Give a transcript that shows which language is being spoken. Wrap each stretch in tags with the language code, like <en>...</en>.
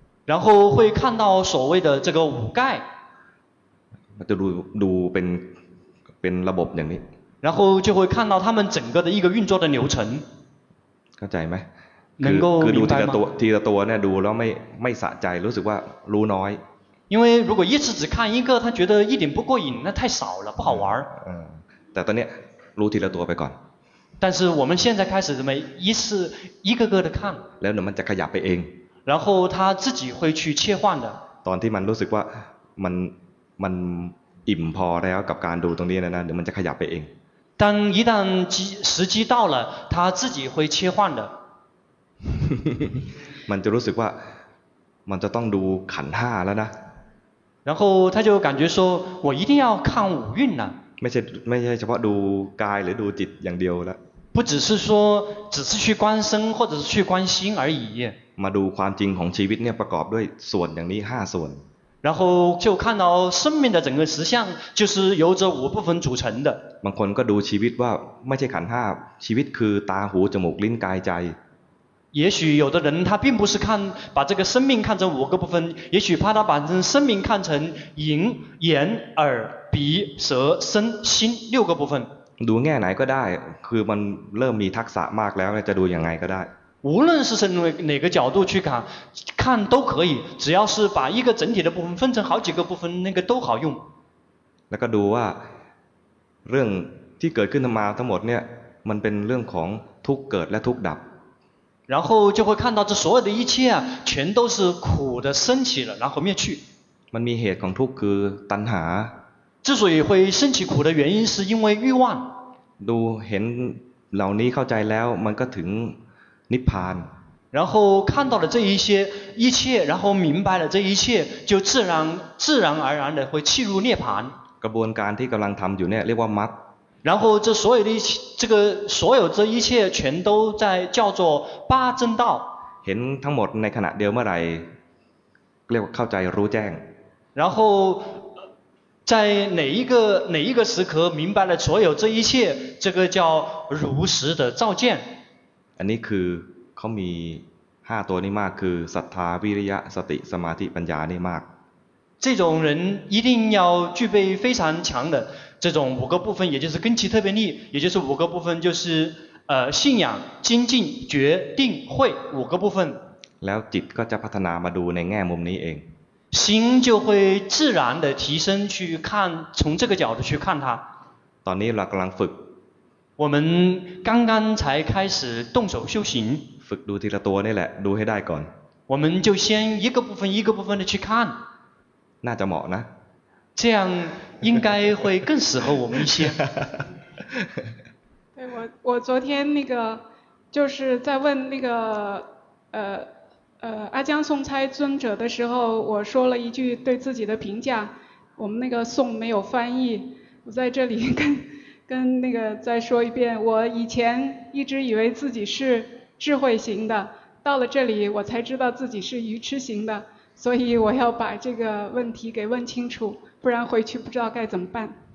<zh>然后会看到所谓的这个五盖</zh> <th>จะดูเป็นระบบอย่างนี้</th> <zh>然后就会看到他们整个的一个运作的流程</zh> <th>เข้าใจไหม</th> <zh>能够明白吗</zh> <th>คือดูทีละตัวเนี่ยดูแล้วไม่สะใจรู้สึกว่ารู้น้อย</th> <zh>因为如果一次只看一个他觉得一点不过瘾那太少了不好玩</zh> <th>แต่ตอนนี้รู้ทีละตัวไปก่อน</th> <zh>但是我们现在开始怎么一次一个个的看</zh> <th>แล้วมันจะขยับไปเอง</th> <zh>然后他自己会去切换的</zh> <th>ตอนที่มันรู้สึกว่ามันอิ่มพอแล้วกับการดูตรงนี้แล้วนะเดี๋ยวมันจะขยับไปเอง</th> <zh>当一旦时机到了他自己会切换的</zh> <th>มันจะรู้สึกว่ามันจะต้องดูขันห้าแล้วนะ</th> <zh>然后他就感觉说我一定要看五蕴了</zh> <th>ไม่ใช่เฉพาะดูกายหรือดูจิตอย่างเดียวละ</th> <zh>不只是说只是去观身或者是去观心而已</zh> <th>มาดูความจริงของชีวิตเนี่ยประกอบด้วยส่วนอย่างนี้5ส่วน</th> <zh>然后就看到生命的整个实相就是由这五部分组成的</zh> <th>บางคนก็ดูชีวิตว่าไม่ใช่ขันธ์5ชีวิตคือตาหูจมูกลิ้นกายใจ</th> <zh>也许有的人他并不是看把这个生命看成五个部分也许怕他把生命看成银眼耳鼻舌身心六个部分</zh> <th>ดูแง่ไหนก็ได้คือมันเริ่มมีทักษะมากแล้วจะดูยังไงก็ได้</th> <zh>无论是从哪个角度去看看都可以只要是把一个整体的部分分成好几个部分那个都好用</zh> <th>แล้วก็ดูว่าเรื่องที่เกิดขึ้นมาทั้งหมดเนี่ยมันเป็นเรื่องของทุกข์เกิดและทุกข์ดับ</th> <zh>然后就会看到这所有的一切啊，全都是苦的升起了，然后灭去。</zh> <th>มันมีเหตุของทุกข์คือตัณหา。</th> <zh>之所以会升起苦的原因，是因为欲望。</zh> <th>ดูเห็นเหล่านี้เข้าใจแล้วมันก็ถึงนิพพาน。</th> <zh>然后看到了这一些一切，然后明白了这一切，就自然而然的会契入涅槃。</zh> <th>กระบวนการที่กำลังทำอยู่เนี่ยเรียกว่ามรรค。</th> <zh>然后这所有的一切，所有这一切全都在叫做八正道。</zh> <th>เห็นทั้งหมดในขณะเดียวเมื่อไหร่เรียกว่าเข้าใจรู้แจ้ง。</th> <zh>然后在哪一个时刻明白了所有这一切，这个叫如实的照见。</zh> <th>อันนี้คือเขามีห้าตัวนี้มากคือศรัทธาวิริยะสติสมาธิปัญญานี่มาก</th> <zh>这种人一定要具备非常强的这种五个部分，也就是根基特别力，也就是五个部分，就是信仰、精进、决定、慧五个部分。</zh> <th>แล้วจิตก็จะพัฒนามาดูในแง่มุมนี้เอง。</th> <zh>心就会自然的提升去看，从这个角度去看它。</zh> <th>ตอนนี้เรากำลังฝึก。</th> <zh>我们刚刚才开始动手修行。</zh> <th>ฝึกดูทีละตัวนี่แหละดูให้ได้ก่อน</th> <zh>我们就先一个部分一个部分的去看</zh> <th>น่าจะเหมาะนะ</th> <zh>这样应该会更适合我们一些对我昨天那个就是在问那个阿姜颂差尊者的时候我说了一句对自己的评价我们那个颂没有翻译我在这里跟那个再说一遍我以前一直以为自己是智慧型的到了这里我才知道自己是愚痴型的所以我要把这个问题给问清楚不然回去不知道该怎么办</zh>